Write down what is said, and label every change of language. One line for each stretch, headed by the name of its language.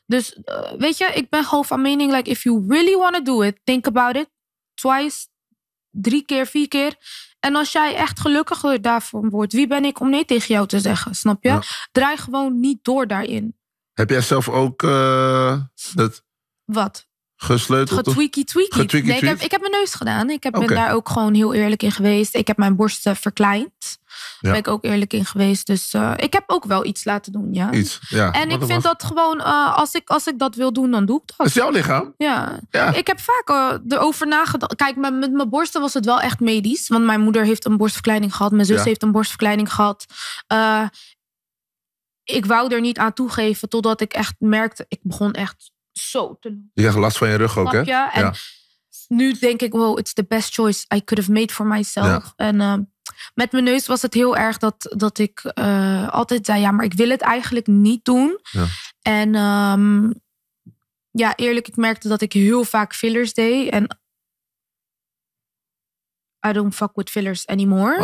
Dutch: Dus weet je, ik ben gewoon van mening,
English: like, if you really want to do it, think about it. Twice,
Dutch: 3 keer, 4 keer. En als jij echt gelukkiger daarvan wordt, wie ben ik om nee tegen jou te zeggen? Snap je? Ja. Draai gewoon niet door daarin. Heb jij zelf ook dat... Wat? Gesleuteld? Getweaky-tweaky. Nee, ik heb mijn neus gedaan. Ik ben daar ook gewoon heel eerlijk in geweest. Ik heb mijn borsten verkleind. Daar ben ik ook eerlijk in geweest. Dus ik heb ook wel iets laten doen, ja. Iets, ja. En ik vind dat gewoon, als ik dat wil doen, dan doe ik dat. Is jouw lichaam? Ja. Ik heb vaak erover nagedacht. Kijk, met mijn borsten was het wel echt medisch. Want mijn moeder heeft een borstverkleining gehad. Mijn zus heeft een borstverkleining gehad. Ik wou er niet aan toegeven totdat ik echt merkte. Ik begon echt zo te doen. Je hebt last van je rug ook, hè? Ja, en nu denk ik,
English: wow, it's the best choice I could have made for myself.
Dutch: Ja. En met mijn neus was het heel erg dat ik altijd zei, ja, maar ik wil het eigenlijk niet doen. Ja. En eerlijk, ik merkte dat ik heel vaak fillers deed. En
English: I don't fuck with fillers anymore.